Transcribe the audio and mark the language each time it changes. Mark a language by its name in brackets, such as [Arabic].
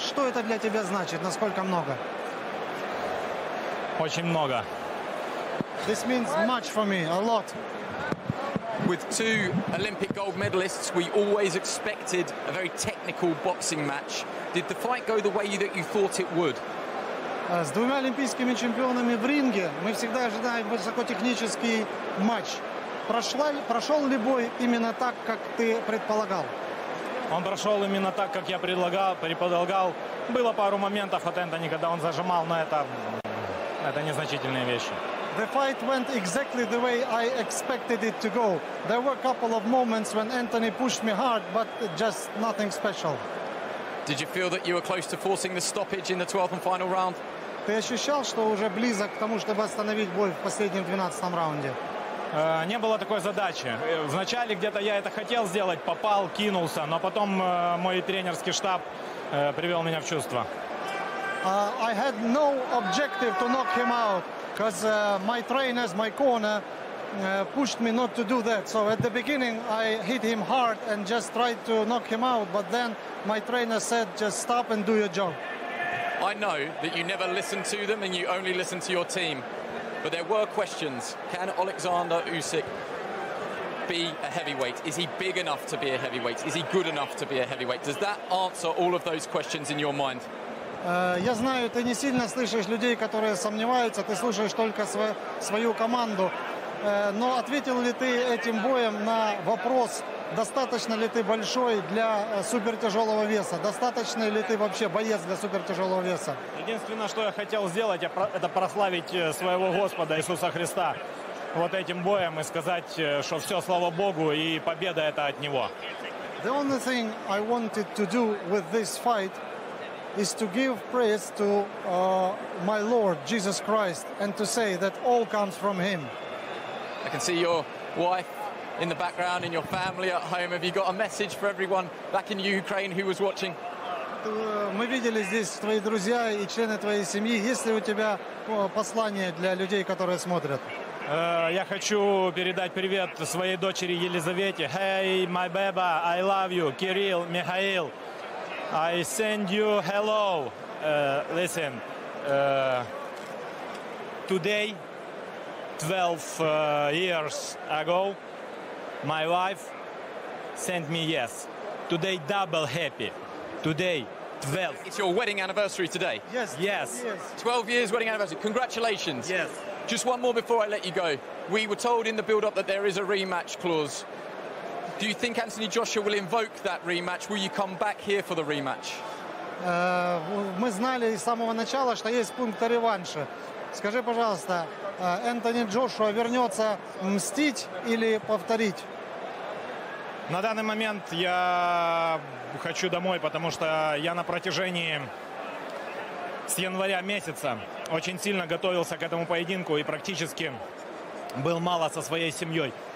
[Russian] Что это для тебя значит? Насколько много? Очень много. [English] This means much for me, a lot. With two Olympic gold medalists, we always expected a very technical boxing match. Did the fight go the way that you thought it would? [Russian] С двумя олимпийскими чемпионами в ринге мы всегда ожидаем высокотехнический матч. Прошел ли бой именно так, как ты предполагал? Он прошел именно так, как я предполагал. Было пару моментов от Энтони, когда он зажимал, но это незначительные вещи. [English] The fight went exactly the way I expected it to go. There were a couple of moments when Anthony pushed me hard, but just nothing special. Did you feel that you were close to forcing the stoppage in the 12th and final round? [Russian] Ты ощущал, что уже близок к тому, чтобы остановить бой в последнем 12-м раунде? Не было такой задачи. Вначале где-то я это хотел сделать, попал, кинулся, но потом мой тренерский штаб привел меня в чувство. [English] I had no objective to knock him out, because my trainers, my corner, pushed me not to do that. So at the beginning, I hit him hard and just tried to knock him out. But then my trainer said, just stop and do your job. I know that you never listen to them and you only listen to your team. But there were questions. Can Alexander Usyk be a heavyweight? Is he big enough to be a heavyweight? Is he good enough to be a heavyweight? Does that answer all of those questions in your mind? [Russian] Я знаю, ты не сильно слышишь людей, которые сомневаются, ты слушаешь только свою команду. Но ответил ли ты этим боем на вопрос, достаточно ли ты большой для супертяжелого веса? Достаточно ли ты вообще боец для супертяжелого веса? Единственное, что я хотел сделать, это прославить своего Господа Иисуса Христа вот этим боем и сказать, что все, слава Богу, и победа это от Него. [English] The only thing I wanted to do with this fight is to give praise to my Lord Jesus Christ and to say that all comes from Him. I can see your wife in the background, in your family at home. Have you got a message for everyone back in Ukraine who was watching? [Russian] Мы видели здесь твои друзья и члены твоей семьи. Есть ли у тебя послание для людей, которые смотрят? Я хочу передать привет своей дочери Елизавете. [English] Hey, my baby, I love you, Кирилл, Михаил. I send you hello. Listen, today, 12 years ago, my wife sent me yes. Today, double happy. Today, 12. It's your wedding anniversary today? Yes. Yes. 12 years wedding anniversary. Congratulations. Yes. Just one more before I let you go. We were told in the build-up that there is a rematch clause. Do you think Anthony Joshua will invoke that rematch? Will you come back here for the rematch? [Russian] Мы знали с самого начала, что есть пункт реванша. Скажи, пожалуйста, Энтони Джошуа вернется мстить или повторить? На данный момент я хочу домой, потому что я на протяжении с января месяца очень сильно готовился к этому поединку и практически был мало со своей семьей.